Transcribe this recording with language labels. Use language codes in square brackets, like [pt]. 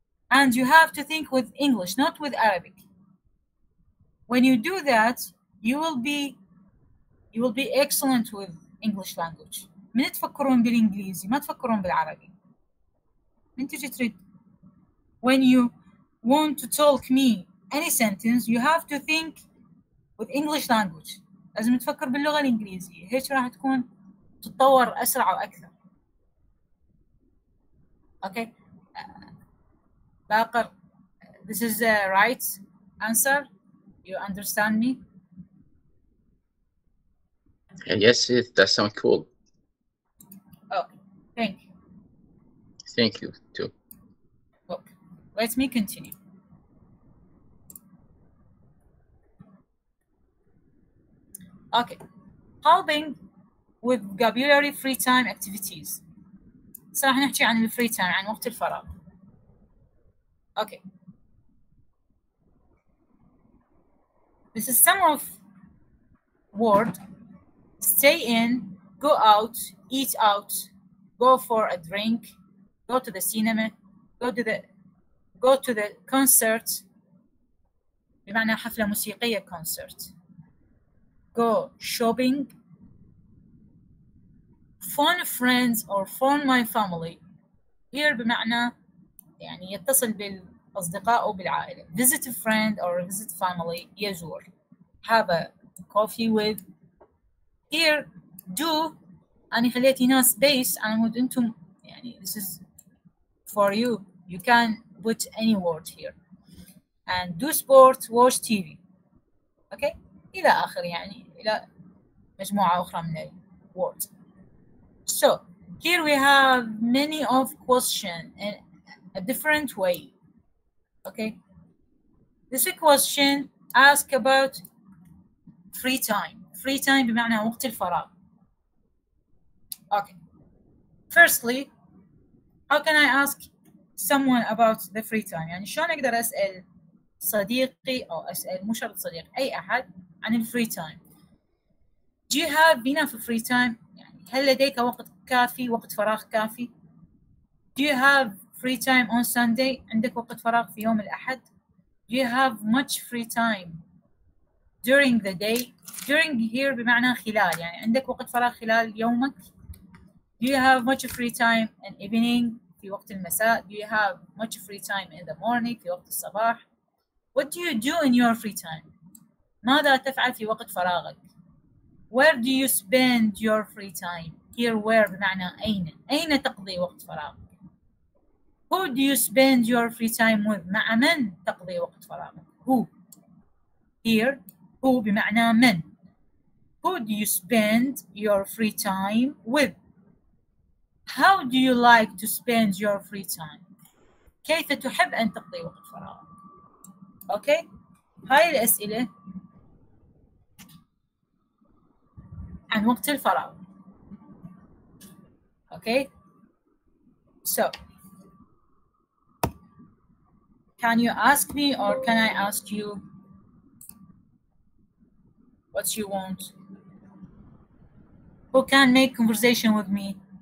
[en] And you have to think with English, not with Arabic. When you do that, you will be excellent with English language. [ar] من تفكرون بالإنجليزي ما تفكرون بالعربي. من تجي تريد. [en] When you want to talk me any sentence, you have to think with English language. [ar] لازم تفكر باللغة الإنجليزية. هيك راح تكون تتطور أسرع وأكثر. [en] Okay. Baqir, this is the right answer. You understand me? Yes, that sounds cool. Thank you too. Well, let me continue. Okay, helping with vocabulary free time activities. So we're going to talk about free time, about the time. Okay. This is some of word. Stay in, go out, eat out, go for a drink, go to the cinema, go to the concert. [ar] بمعنى حفلة موسيقية concert. [en] Go shopping. Phone friends or phone my family. [ar] Here بمعنى يعني يتصل بالأصدقاء أو بالعائلة. [en] Visit a friend or visit family. يزور. Have a coffee with. Here do. [ar] أنا خليت هنا space. أنا مود أنتم يعني [en] this is for you. You can put any word here. And do sports, watch TV. Okay? [ar] إلى آخر يعني إلى مجموعة أخرى من ال words. [en] So here we have many of question in a different way. Okay? This question ask about free time. [ar] Free time بمعنى وقت الفراغ. [en] Okay. Firstly, how can I ask someone about the free time? [ar] يعني شلون اقدر اسال صديقي او اسال مو شرط صديق اي احد عن الفري تايم. [en] Do you have enough free time? [ar] يعني هل لديك وقت كافي وقت فراغ كافي? [en] Do you have free time on Sunday? [ar] عندك وقت فراغ في يوم الاحد? [en] Do you have much free time during the day? [ar] During here بمعنى خلال يعني عندك وقت فراغ خلال يومك. [en] Do you have much free time in evening? [ar] في وقت المساء. [en] Do you have much free time in the morning? [ar] في وقت الصباح. [en] What do you do in your free time? [ar] ماذا تفعل في وقت فراغك? [en] Where do you spend your free time? [ar] Here where بمعنى أين. أين تقضي وقت فراغك? [en] Who do you spend your free time with? [ar] مع من تقضي وقت فراغك? [en] Who? Here, who [ar] بمعنى من. [en] Who do you spend your free time with? How do you like to spend your free time? [ar] كيف تحب أن تقضي وقت فراغك؟ Okay, هاي الأسئلة عن وقت الفراغ. [en] Okay, so can you ask me or can I ask you what you want? Who can make conversation with me?